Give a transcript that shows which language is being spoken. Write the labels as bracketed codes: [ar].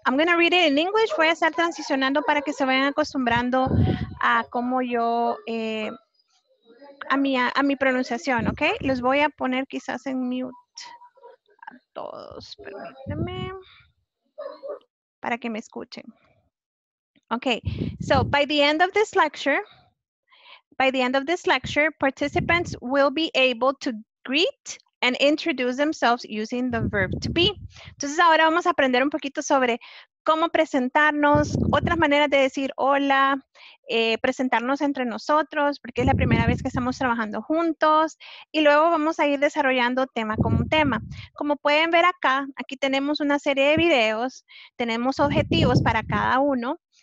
[en] I'm going to read it in English. [es] Voy a estar transicionando para que se vayan acostumbrando a cómo yo, a mi pronunciación, ¿ok? Los voy a poner quizás en mute a todos, permítanme, para que me escuchen. [en] Ok, so by the end of this lecture, participants will be able to greet and introduce themselves using the verb to be. [es] Entonces ahora vamos a aprender un poquito sobre cómo presentarnos, otras maneras de decir hola, presentarnos entre nosotros, porque es la primera vez que estamos trabajando juntos, y luego vamos a ir desarrollando tema con tema. Como pueden ver acá, aquí tenemos una serie de videos, tenemos objetivos para cada uno.